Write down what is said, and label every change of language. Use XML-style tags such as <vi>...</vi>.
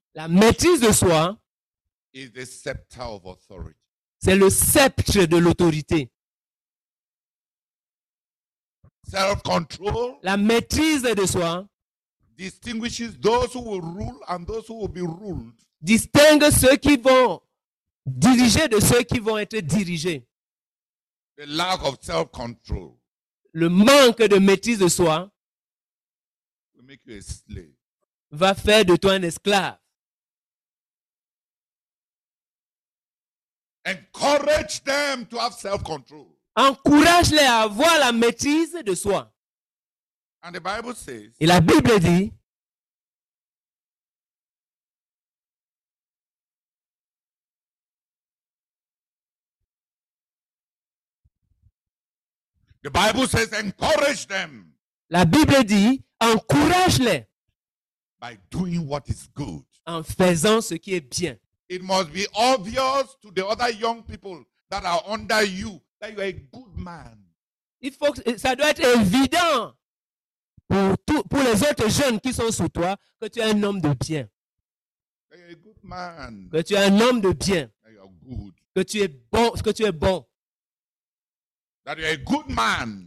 <fr>La maîtrise de soi.</fr> <en>Is the scepter of authority.</en> <fr>C'est le sceptre de l'autorité.</fr> <en>Self-control.</en> <fr>La maîtrise de soi.</fr> <en>distinguishes those who will rule and those who will be ruled.</en> <fr>Distingue ceux qui vont diriger de ceux qui vont être dirigés.</fr> <en>The lack of self-control.</en> <fr>Le manque de maîtrise de soi</fr> <en>will make you a slave.</en> <fr>Va faire de toi un esclave.</fr> <en>Encourage them to have self-control.</en> <fr>Encourage-les à avoir la maîtrise de soi.</fr> <en>And the Bible says,</en> <fr>et la Bible dit,</fr> <en>the Bible says, encourage them.</en> <fr>La Bible dit, encourage-les.</fr> <en>By doing what is good.</en> <fr>En faisant ce qui est bien.</fr> <en>It must be obvious to the other young people that are under you that you are a good man.</en> <fr>Il faut que, ça doit être évident pour tout, pour les autres jeunes qui sont sous toi que tu es un homme de bien.</fr> <en>That you are a good man.</en> <fr>Que tu es un homme de bien.</fr> <en>That you are good.</en> <fr>Que tu es bon, que tu es bon.</fr> <en>That you are a good man.</en>